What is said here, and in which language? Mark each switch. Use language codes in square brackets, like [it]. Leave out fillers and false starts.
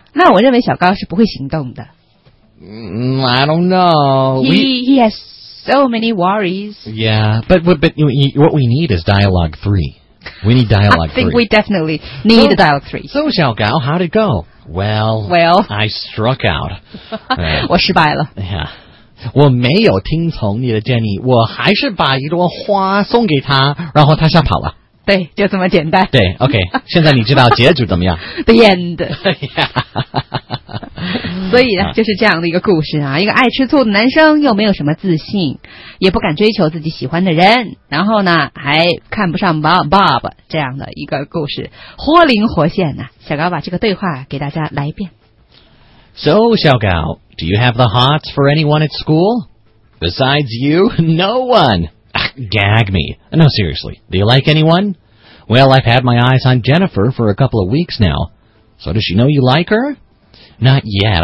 [zh] 那我认为小高是不会行动的。 [en] I don't know。 He has so many worries. Yeah, but what we need is dialogue three. We need dialogue three. I think we definitely need dialogue three. So, 小高, how'd it go? Well, I struck out. [zh] 我失败了。 [en] Yeah. [zh] 我没有听从你的建议，我还是把一朵花送给他，然后他吓跑了。对，就这么简单。对 ，OK， 现在你知道结局怎么样 [en] ？The end 。 <Yeah. [zh] 笑>所以呢，就是这样的一个故事啊，一个爱吃醋的男生，又没有什么自信，也不敢追求自己喜欢的人，然后呢，还看不上 Bob 这样的一个故事，活灵活现呢、啊。小高把这个对话给大家来一遍。 [en] So, 小高 do you have the hots for anyone at school? Besides you, no one. Gag me. No, seriously. Do you like anyone? Well, I've had my eyes on Jennifer for a couple of weeks now. So does she know you like her? Not yet.